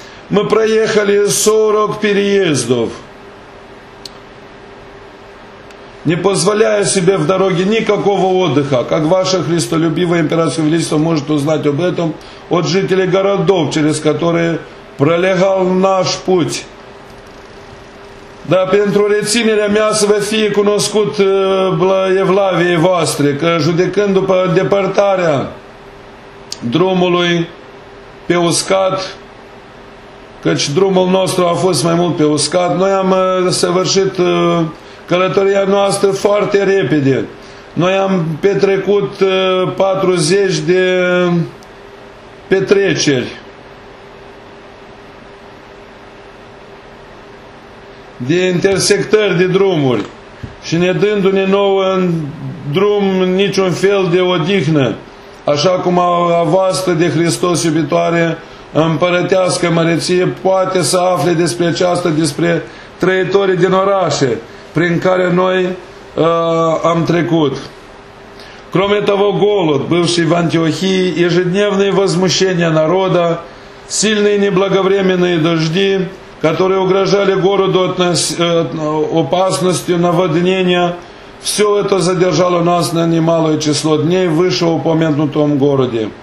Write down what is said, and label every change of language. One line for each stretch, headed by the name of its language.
Russian: Мы проехали 40 переездов, не позволяя себе в дороге никакого отдыха, как ваше христолюбивое императорское величество может узнать об этом от жителей городов, через которые пролегал наш путь.
Romanian: Да, pentru reținerea mea să vă fie cunoscut evlaviei voastre, că judecând după depărtarea drumului pe uscat, căci drumul nostru a fost mai mult pe uscat, noi am săvârșit călătoria noastră foarte repede. Noi am petrecut 40 de petreceri. De intersectări de drumuri. Și ne dându-ne nouă în drum niciun fel de odihnă, așa cum a voastră de Hristos iubitoare împărătească măreție poate să afle despre aceasta, despre trăitorii din orașe prin care noi am trecut.
Russian: Кроме того, голод, бывший в Антиохии, ежедневные возмущения народа, сильные неблаговременные дожди, которые угрожали городу опасностью наводнения, все это задержало нас на немалое число дней в вышеупомянутом городе.